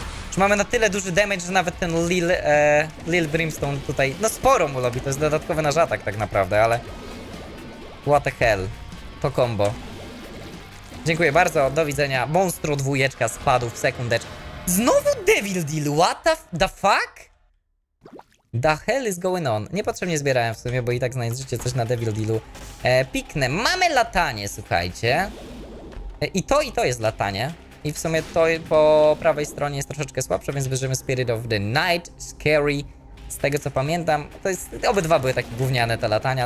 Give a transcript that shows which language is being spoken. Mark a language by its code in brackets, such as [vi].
[pl] Czy mamy na tyle duży damage, że nawet ten Lil Brimstone tutaj... No sporo mu robi, to jest dodatkowy nasz atak tak naprawdę, ale... What the hell. To combo. Dziękuję bardzo, do widzenia. Monstro, dwójeczka, spadł w sekundeczkę. Znowu Devil Deal, what the fuck? [en] The hell is going on? [pl] Niepotrzebnie zbierałem w sumie, bo i tak znajdziecie coś na Devil Dealu. Piknę, mamy latanie, słuchajcie. I to jest latanie. I w sumie to po prawej stronie jest troszeczkę słabsze, więc bierzemy Spirit of the Night, Scary. Z tego co pamiętam, to jest, obydwa były takie gówniane te latania.